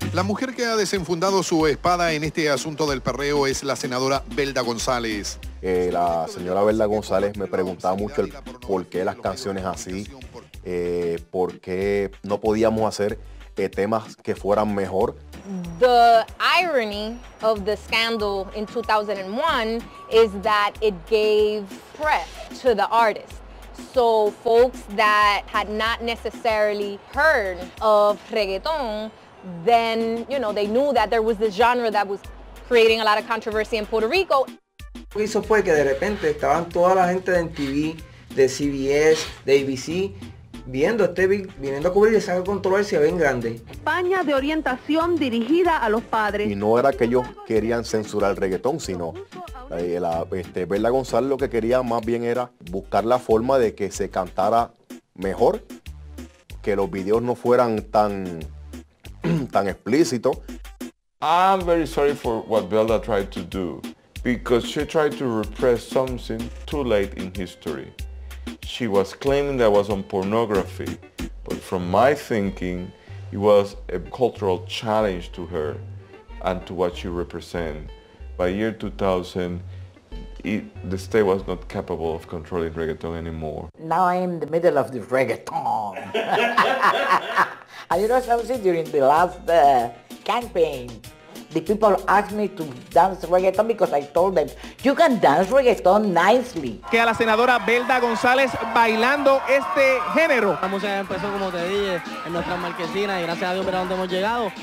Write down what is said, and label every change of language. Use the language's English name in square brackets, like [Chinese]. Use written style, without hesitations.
[Spanish] La mujer que ha desenfundado su espada en este asunto del perreo es la senadora Belda González. La señora Belda González me preguntaba mucho el por qué las canciones así, por qué no podíamos hacer temas que fueran mejor. [English] The irony of the scandal in 2001 is that it gave press to the artist. So folks that had not necessarily heard of reggaeton, then, you know, they knew that there was this genre that was creating a lot of controversy in Puerto Rico. [Spanish] Lo que hizo fue que de repente estaban toda la gente de MTV, de CBS, de ABC, viendo este viniendo a cubrir esa controversia bien grande. España de orientación dirigida a los padres. Y no era que ellos querían censurar el reggaetón, sino Belda González lo que quería más bien era buscar la forma de que se cantara mejor, que los videos no fueran tan explícitos. [English] I'm very sorry for what Belda tried to do, because she tried to repress something too late in history. She was claiming that was on pornography, but from my thinking, it was a cultural challenge to her and to what she represents. By year 2000, the state was not capable of controlling reggaeton anymore. Now I'm in the middle of the reggaeton. And you know something, during the last campaign, the people asked me to dance reggaeton because I told them, you can dance reggaeton nicely. [Spanish] Que a la senadora Belda González bailando este género. La música empezó, como te dije, en nuestras marquesinas y gracias a Dios, mira donde hemos llegado.